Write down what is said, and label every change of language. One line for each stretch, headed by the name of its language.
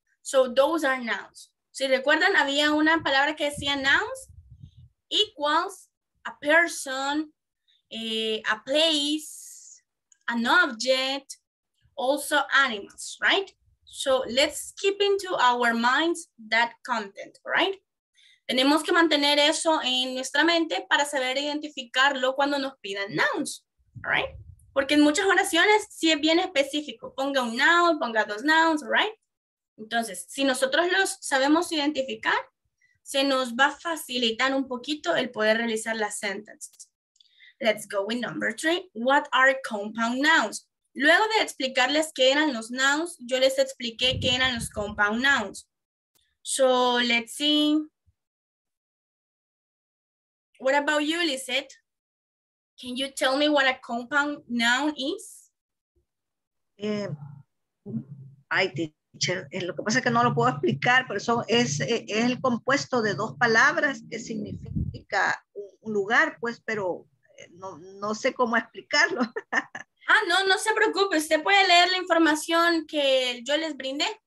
English: So those are nouns.
Spanish: Si recuerdan, había una palabra que decía
English: nouns, equals a person, a place, an object, also animals, right? So let's keep into our minds that content, right?
Spanish: Tenemos que mantener eso en nuestra mente para saber identificarlo cuando nos pidan nouns, right? Porque en muchas oraciones sí es bien específico. Ponga un noun, ponga 2 nouns, right? Entonces, si nosotros los sabemos identificar, se nos va a facilitar un poquito el poder realizar las sentences.
English: Let's go with number three. What are compound nouns?
Spanish: Luego de explicarles qué eran los nouns, yo les expliqué qué eran los compound nouns.
English: So, let's see. What about you, Lizette? Can you tell me what a compound noun is?
Spanish: Ay, teacher, lo que pasa es que no lo puedo explicar, pero eso es el compuesto de dos palabras que significa un lugar, pues, pero no sé cómo explicarlo. Ah, no se preocupe. Usted puede leer la información que yo les brindé.